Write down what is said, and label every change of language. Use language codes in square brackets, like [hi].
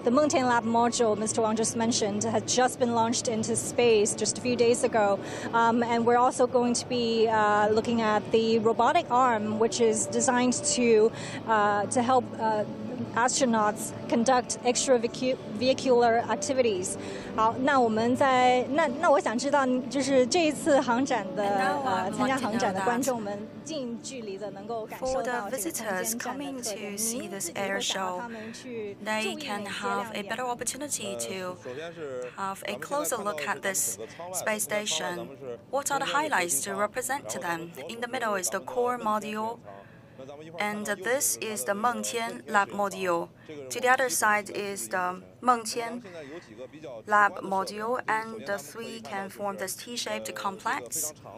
[en] The Mengtian lab module, Mr. Wang just mentioned, had just been launched into space just a few days ago. And we're also going to be looking at the robotic arm, which is designed to help astronauts conduct extravehicular activities. [zh] 好，那我们在那我想知道，就是这一次航展的参加航展的观众们近距离的能够感受到这个空间站的特点。您自己怎么想让他们去 [en] ？They can have a better opportunity to have a closer look at this space station. What are the highlights to represent to them? In the middle is the core module. And this is the Mengtian lab module. To the other side is the Mengtian lab module, and the three can form this T-shaped complex.